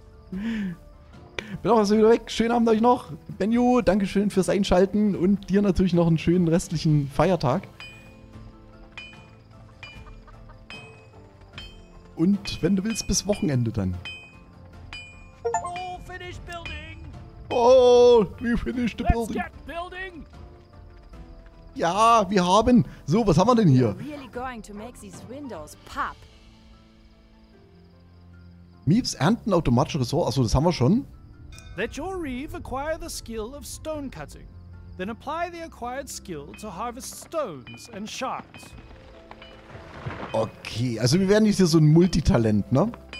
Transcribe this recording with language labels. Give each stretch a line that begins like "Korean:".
German: Bin auch also wieder weg. Schönen Abend euch noch. Benjo, Dankeschön fürs Einschalten und dir natürlich noch einen schönen restlichen Feiertag. Und wenn du willst, bis Wochenende dann.
English: Oh, finish building. Oh, we finished the building. Let's get building.
German: Ja, wir haben. So, was haben wir denn hier?
English: Really going to make these windows pop.
German: Meeps ernten automatische Ressourcen. Achso, das haben wir schon.
English: Let your reeve acquire the skill of stone cutting. Then apply the acquired skill to harvest stones and shards.
German: Okay, also wir werden jetzt hier so ein Multitalent, ne?